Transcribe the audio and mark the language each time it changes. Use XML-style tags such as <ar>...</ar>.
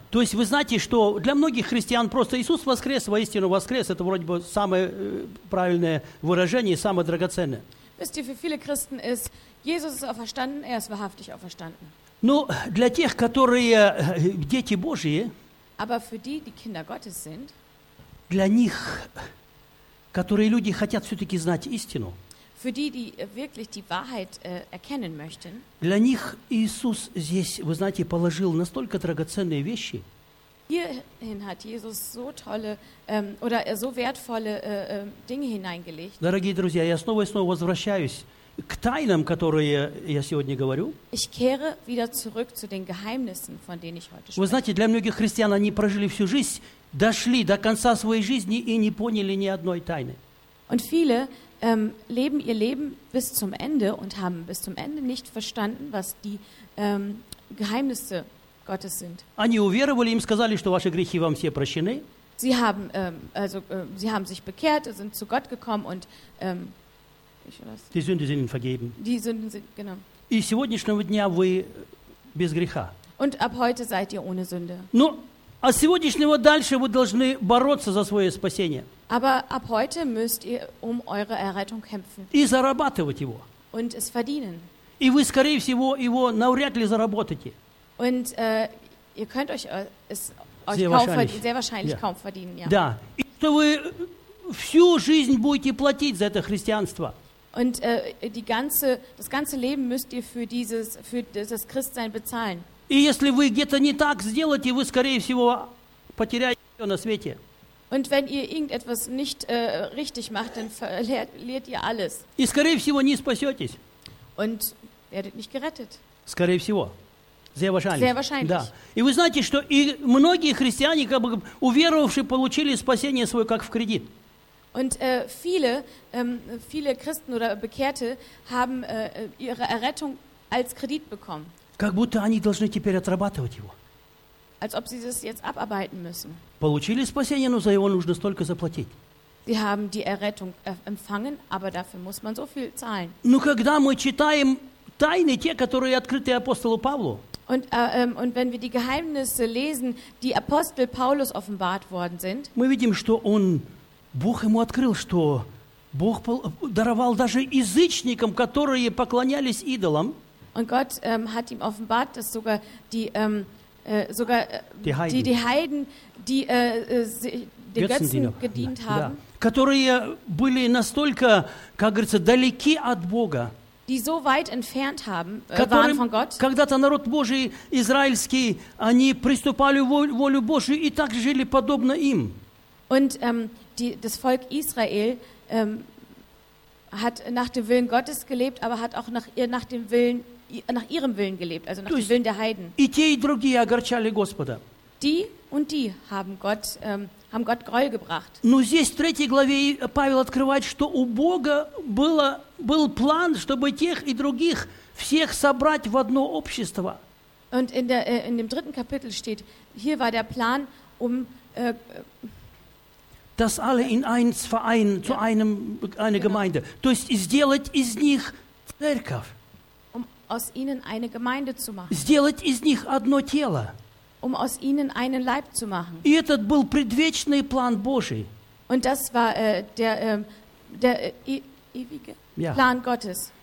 <ru>То есть вы знаете, что для многих христиан просто Иисус воскрес, воистину воскрес, это вроде бы самое правильное выражение, самое драгоценное.</ru> <de>Wisst ihr, für viele Christen ist Jesus auferstanden, er ist wahrhaftig auferstanden.</de> <ru>Ну, для тех, которые дети Божьи,</ru> <de>aber für die, die Kinder Gottes sind,</de> <ru>для них, которые люди хотят все-таки знать истину,</ru> <de>für die, die wirklich die Wahrheit erkennen möchten.</de> <ru>Для них Иисус здесь, вы знаете, положил настолько драгоценные вещи.</ru> <de>Hierhin hat Jesus so tolle oder so wertvolle Dinge hineingelegt.</de> <ru>Дорогие друзья, я снова и снова возвращаюсь к тайнам, которые я сегодня говорю.</ru> <de>Ich kehre wieder zurück zu den Geheimnissen, von denen ich heute spreche.</de> <ru>Вы знаете, для многих христиан они прожили всю жизнь, дошли до конца своей жизни и не поняли ни одной тайны.</ru> <de>Und viele leben ihr Leben bis zum Ende und haben bis zum Ende nicht verstanden, was die Geheimnisse Gottes sind.</de> <ru>Они уверовали, им сказали, что ваши грехи вам все прощены.</ru> <de>Sie haben sie haben sich bekehrt, sind zu Gott gekommen und Die Sünden sind ihnen vergeben. Die Sünden sind genau.</de> <ru>И с сегодняшнего дня вы без греха.</ru> <de>Und ab heute seid ihr ohne Sünde.</de> <ru>Ну, а с сегодняшнего дальше вы должны бороться за свое спасение.</ru> <de>Aber ab heute müsst ihr um eure Errettung kämpfen.</de> <ru>И зарабатывать его.</ru> <de>Und es verdienen.</de> <ru>И вы скорее всего его навряд ли заработаете.</ru> <de>Und ihr könnt euch es euch sehr kaum wahrscheinlich kaum verdienen, ja.</de> <ru>Да. И что вы всю жизнь будете платить за это христианство?</ru> <de>Und die ganze das ganze Leben müsst ihr für dieses Christsein bezahlen.</de> <ru>И если вы где-то не так сделаете, вы скорее всего потеряете все на свете.</ru> <de>Und wenn ihr irgendetwas nicht richtig macht, dann verliert ihr alles.</de> <ru>И скорее всего не спасетесь.</ru> <de>Und werdet nicht gerettet.</de> <ru>Скорее всего.</ru> <de>Sehr wahrscheinlich.</de> <ru>Да. И вы знаете, что и многие христиане, как бы уверовавшие, получили спасение свое как в кредит.</ru> <de>Und viele Christen oder Bekehrte haben ihre Errettung als Kredit bekommen.</de> <ru>Как будто они должны теперь отрабатывать его.</ru> <de>Als ob sie das jetzt abarbeiten müssen.</de> <ru>Получили спасение, но за его нужно столько заплатить.</ru> <de>Sie haben die Errettung empfangen, aber dafür muss man so viel zahlen.</de> <ru>Но когда мы читаем тайны, те, которые открыты апостолу Павлу,</ru> <de>Und, und wenn wir die Geheimnisse lesen, die Apostel Paulus offenbart worden sind,</de> <ru>мы видим, что он, Бог ему открыл, что Бог даровал даже язычникам, которые поклонялись идолам.</ru> <de>Und Gott hat ihm offenbart, dass sogar die, sogar die Heiden, die, Heiden, die den Götzen gedient haben,</de> <ru>которые были настолько, как говорится, далеки от Бога,</ru> <de>die so weit entfernt haben, waren von Gott.</de> <ru>Когда-то народ Божий, израильский, они приступали волю Божию и так жили подобно им.</ru> <de>Und das Volk Israel hat nach dem Willen Gottes gelebt, aber hat auch nach ihrem Willen gelebt, also nach dem Willen der Heiden.</de> <ru>И те, и другие огорчали Господа.</ru> <de>Die und die haben Gott Greuel gebracht.</de> <ru>Но здесь в третьей главе Павел открывает, что у Бога был план, чтобы тех и других всех собрать в одно общество.</ru> <de>Und in dem dritten Kapitel steht, hier war der Plan, um das alle in eins Verein zu einem eine Gemeinde.</de> <ru>То есть сделать из них церковь.</ru> <de>Um aus ihnen eine Gemeinde zu machen.</de> <ru>Сделать из них одно тело.</ru> <de>Um aus ihnen einen Leib zu machen.</de> <ru>И этот был предвечный план Божий.</ru> <de>Und das war der ewige План Gottes.</de>